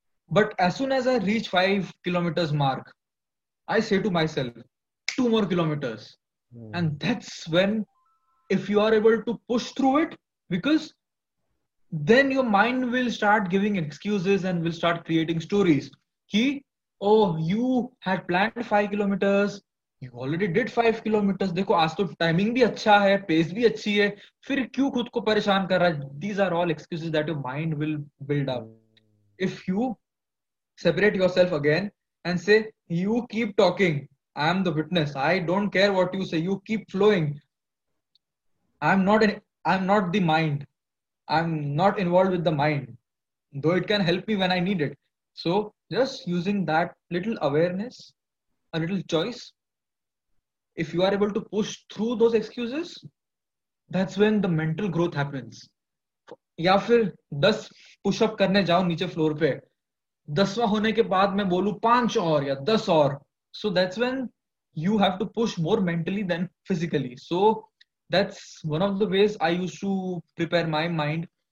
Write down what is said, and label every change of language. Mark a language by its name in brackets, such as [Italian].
[English] But as soon as I reach 5 kilometers mark, I say to myself, 2 more kilometers. And that's when, if you are able to push through it, because then your mind will start giving excuses and will start creating stories. Ki oh, you had planned 5 kilometers. You already did 5 kilometers. [Hindi] देखो आज तो timing भी अच्छा है, pace भी अच्छी है, फिर क्यों खुद को परेशान कर रहा है? [English] These are all excuses that your mind will build up. If you separate yourself again and say, you keep talking, I am the witness, I don't care what you say, you keep flowing, I am not the mind, I am not involved with the mind, though it can help me when I need it. So just using that little awareness, a little choice, if you are able to push through those excuses, that's when the mental growth happens. [Hindi] या फिर 10 pushup करने जाओ नीचे floor पे, 10वां होने के बाद मैं बोलू 5 और या 10 और, [English] So that's when you have to push more mentally than physically. So that's one of the ways I used to prepare my mind.